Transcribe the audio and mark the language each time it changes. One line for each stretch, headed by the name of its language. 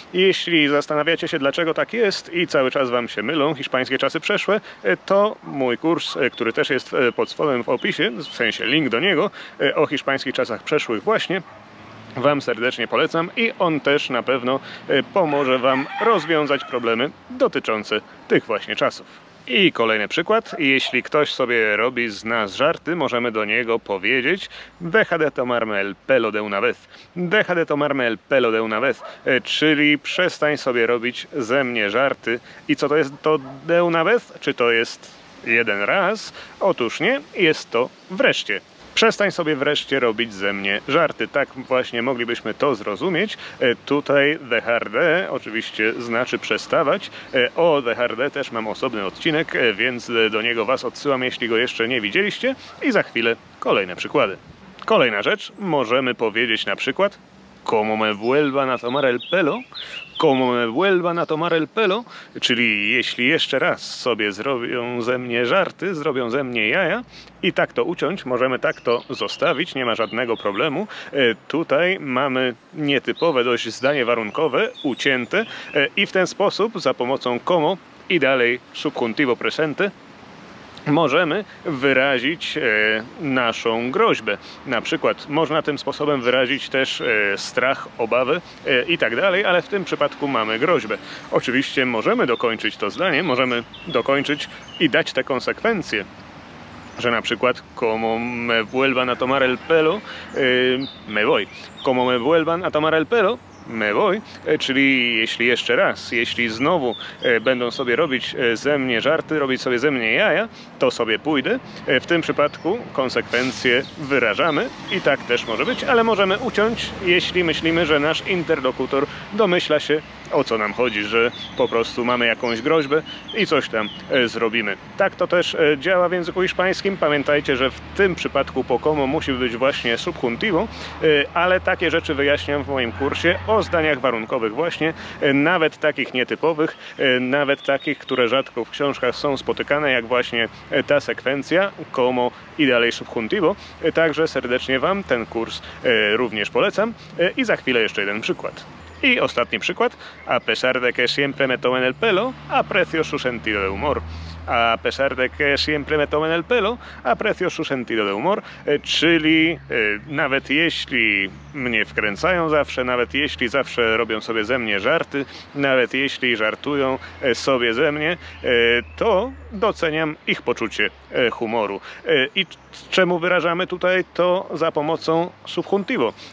Polish: Jeśli zastanawiacie się, dlaczego tak jest i cały czas wam się mylą hiszpańskie czasy przeszłe, to mój kurs, który też jest pod spodem w opisie, w sensie link do niego, o hiszpańskich czasach przeszłych właśnie, wam serdecznie polecam i on też na pewno pomoże wam rozwiązać problemy dotyczące tych właśnie czasów. I kolejny przykład. Jeśli ktoś sobie robi z nas żarty, możemy do niego powiedzieć
Spanish: deja de tomarme el pelo de una vez. Deja de tomarme el pelo de una vez.
Polish: Czyli przestań sobie robić ze mnie żarty. I co to jest to
Spanish: de una vez?
Polish: Czy to jest jeden raz? Otóż nie, jest to wreszcie. Przestań sobie wreszcie robić ze mnie żarty. Tak właśnie moglibyśmy to zrozumieć. Tutaj dejar de oczywiście znaczy przestawać. O dejar de też mam osobny odcinek, więc do niego was odsyłam, jeśli go jeszcze nie widzieliście. I za chwilę kolejne przykłady. Kolejna rzecz. Możemy powiedzieć na przykład
Spanish: como me vuelvan a tomar el pelo? Como me vuelvan a tomar el pelo?
Polish: Czyli jeśli jeszcze raz sobie zrobią ze mnie żarty, zrobią ze mnie jaja i tak to uciąć, możemy tak to zostawić, nie ma żadnego problemu. Tutaj mamy nietypowe dość zdanie warunkowe, ucięte i w ten sposób za pomocą como i dalej subjuntivo presente możemy wyrazić naszą groźbę. Na przykład można tym sposobem wyrazić też strach, obawy i tak dalej, ale w tym przypadku mamy groźbę. Oczywiście możemy dokończyć to zdanie, możemy dokończyć i dać te konsekwencje Że na przykład,
Spanish: como me vuelvan a tomar el pelo, me voy. Como me vuelvan a tomar el pelo, me voy.
Polish: Czyli jeśli jeszcze raz, jeśli znowu będą sobie robić ze mnie żarty, robić sobie ze mnie jaja, to sobie pójdę. W tym przypadku konsekwencje wyrażamy i tak też może być, ale możemy uciąć, jeśli myślimy, że nasz interlokutor domyśla się, o co nam chodzi, że po prostu mamy jakąś groźbę i coś tam zrobimy. Tak to też działa w języku hiszpańskim. Pamiętajcie, że w tym przypadku po como musi być właśnie subjuntivo, ale takie rzeczy wyjaśniam w moim kursie o zdaniach warunkowych właśnie, nawet takich nietypowych, nawet takich, które rzadko w książkach są spotykane, jak właśnie ta sekwencja como i dalej subjuntivo. Także serdecznie Wam ten kurs również polecam i za chwilę jeszcze jeden przykład. I ostatni przykład.
Spanish: A pesar de que siempre me tomen el pelo, aprecio su sentido de humor. A pesar de que siempre me tomen el pelo, aprecio su sentido de humor.
Polish: Czyli nawet jeśli mnie wkręcają zawsze, nawet jeśli zawsze robią sobie ze mnie żarty, nawet jeśli żartują sobie ze mnie, to doceniam ich poczucie humoru. I czemu wyrażamy tutaj to? Za pomocą subjuntivo.